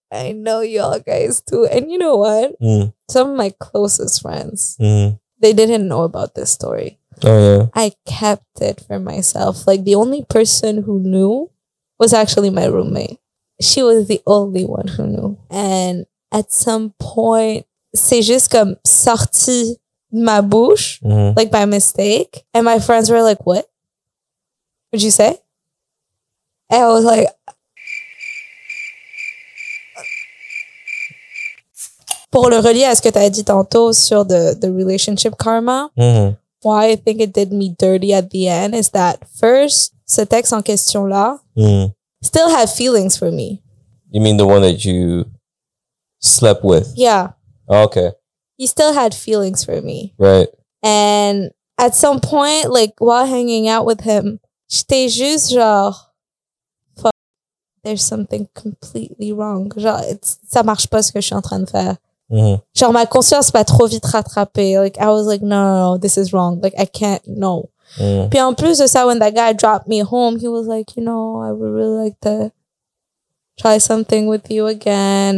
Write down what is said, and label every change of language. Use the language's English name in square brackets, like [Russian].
[English] I know y'all guys, too. And you know what? Mm. Some of my closest friends, mm. they didn't know about this story. Oh, yeah. I kept it for myself. Like, the only person who knew was actually my roommate. She was the only one who knew. And at some point, [French] c'est juste comme sorti de ma bouche, mm-hmm. [English] like by mistake. And my friends were like, what? What'd you say? And I was like, [French] pour le relier à ce que t'as dit tantôt sur [English] the relationship karma, mm-hmm. why I think it did me dirty at the end is that first, [French] ce texte en question là, mm-hmm. [English] still have feelings for me. You mean the one that you slept with? Yeah. Oh, okay. He still had feelings for me. Right. And at some point, like while hanging out with him, [French] j'étais juste genre, [English] fuck, there's something completely wrong. [French] Genre, ça marche pas ce que je suis en train de faire. Mm-hmm. Genre, ma conscience m'a trop vite rattrapée. [English] Like, I was like, no, this is wrong. Like, I can't, no. Mm. [French] Puis en plus de ça, [English] when that guy dropped me home, he was like, you know, I would really like to try something with you again.